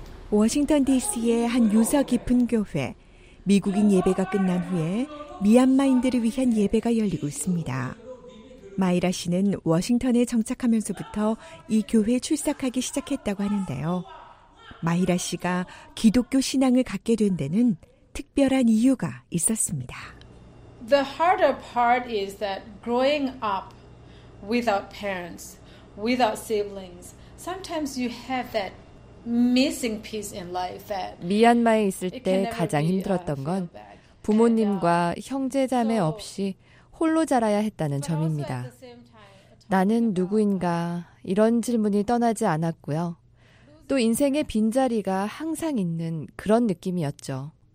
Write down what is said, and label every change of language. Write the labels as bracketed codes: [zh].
[ko] 워싱턴 DC의 한 유서 깊은 교회, 미국인 예배가 끝난 후에 미얀마인들을 위한 예배가 열리고 있습니다. 마이라 씨는 워싱턴에 정착하면서부터 이 교회에 출석하기 시작했다고 하는데요. 마이라 씨가 기독교 신앙을 갖게 된 데는 특별한 이유가 있었습니다. [en] The harder part is that growing up without parents, without siblings, sometimes you have that missing piece in life that [ko] 미얀마에 있을 때 가장 힘들었던 건 부모님과 형제자매 없이 홀로 자라야 했다는 점입니다. 나는 누구인가 이런 질문이 떠나지 않았고요. 또 인생의 빈자리가 항상 있는 그런 느낌이었죠.